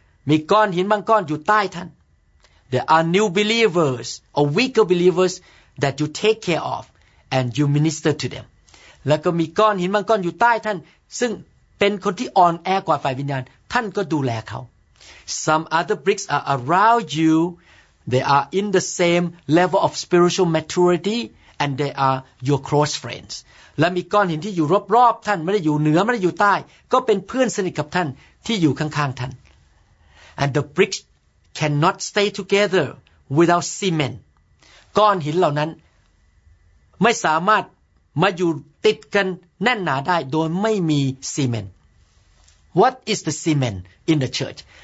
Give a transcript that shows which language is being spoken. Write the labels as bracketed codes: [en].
[th] มีก้อนหินบางก้อนอยู่ใต้ท่าน [en] There are new believers or weaker believers that you take care of and you minister to them. [th] แล้วก็มีก้อนหินบางก้อนอยู่ใต้ท่านซึ่งเป็นคนที่อ่อนแอกว่าฝ่ายวิญญาณท่านก็ดูแลเขา [en] Some other bricks are around you. They are in the same level of spiritual maturity, and they are your close friends. [th] และมีก้อนหินที่อยู่รอบๆท่านไม่ได้อยู่เหนือไม่ได้อยู่ใต้ก็เป็นเพื่อนสนิทกับท่านที่อยู่ข้างๆท่าน [en] And the bricks cannot stay together without cement. [th] ก้อนหินเหล่านั้นไม่สามารถมาอยู่ติดกันแน่นหนาได้โดยไม่มีซีเมนต์ [en] What is the cement in the church?